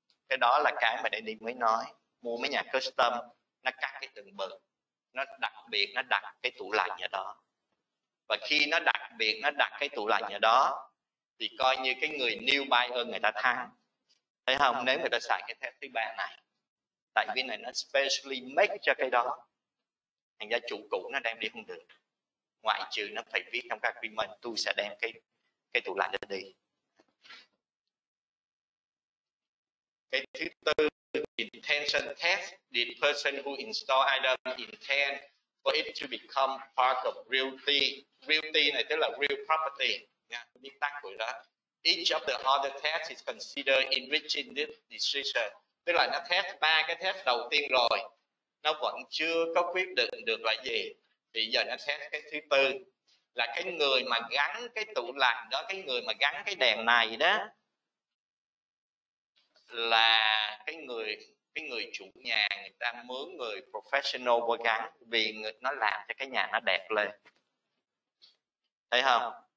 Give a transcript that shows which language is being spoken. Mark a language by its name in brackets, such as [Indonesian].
[Vietnamese] Cái đó là cái mà Danny mới nói, mua mấy nhà custom nó cắt cái từng bờ, nó đặc biệt nó đặt cái tủ lạnh ở đó, và khi nó đặc biệt nó đặt cái tủ lạnh ở đó thì coi như cái người new buyer người ta thắng, thấy không, nếu người ta xài cái test thứ ba này, tại vì này nó [English] specially make [Vietnamese] cho cái đó, thành ra chủ cũ nó đem đi không được, ngoại trừ nó phải viết trong các agreement tôi sẽ đem cái tủ lạnh đó đi. [English] Cái thứ tư, intention test, the person who install item intend for it to become part of realty. [Vietnamese] Realty này tức là real property, nguyên tắc của đó. [English] Each of the other tests is considered enriching this decision. [Vietnamese] Tức là nó test ba cái test đầu tiên rồi, nó vẫn chưa có quyết định được là gì. Bây giờ nó test cái thứ tư, là cái người mà gắn cái tủ lạnh đó, cái người mà gắn cái đèn này đó, là cái người chủ nhà người ta mướn người professional vô gắn vì nó làm cho cái nhà nó đẹp lên, thấy không?